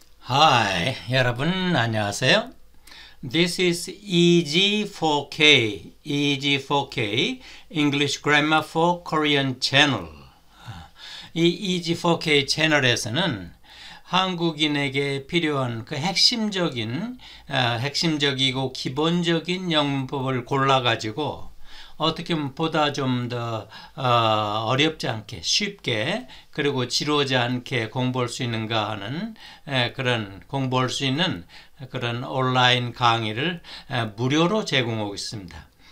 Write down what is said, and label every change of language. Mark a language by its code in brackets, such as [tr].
[ko] Hi, 여러분, 안녕하세요. [en] This is EG4K, EG4K, English Grammar for Korean Channel. [ko] 이 EG4K 채널에서는 한국인에게 필요한 그 핵심적인, 핵심적이고 기본적인 영문법을 골라가지고 어떻게 보면 보다 좀 더 어렵지 않게 쉽게 그리고 지루하지 않게 공부할 수 있는가 하는 그런 공부할 수 있는 그런 온라인 강의를 무료로 제공하고 있습니다.